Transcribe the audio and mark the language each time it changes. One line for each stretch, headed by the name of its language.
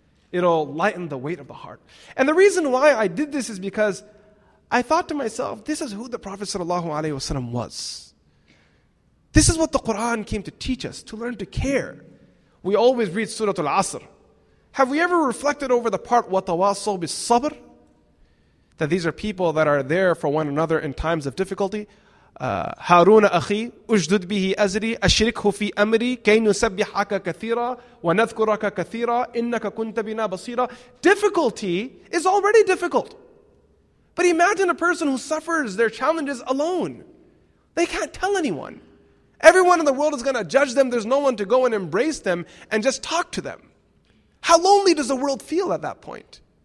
English: It'll lighten the weight of the heart. And the reason why I did this is because I thought to myself, this is who the Prophet ﷺ was. This is what the Quran came to teach us, to learn to care. We always read Surah Al-Asr. Have we ever reflected over the part,
Arabic: وَتَوَاصَوْ بِالصَّبْرِ?
English: That these are people that are there for one another in times of difficulty.
Arabic: هَارُونَ أَخِي أُجْدُدْ بِهِ أَزْرِي أَشْرِكْهُ فِي أَمْرِي كَيْ نُسَبِّحَكَ كَثِيرًا وَنَذْكُرَكَ كَثِيرًا إِنَّكَ كُنْتَ بِنَا بَصِيرًا.
English: Difficulty is already difficult. But imagine a person who suffers their challenges alone. They can't tell anyone. Everyone in the world is going to judge them. There's no one to go and embrace them and just talk to them. How lonely does the world feel at that point?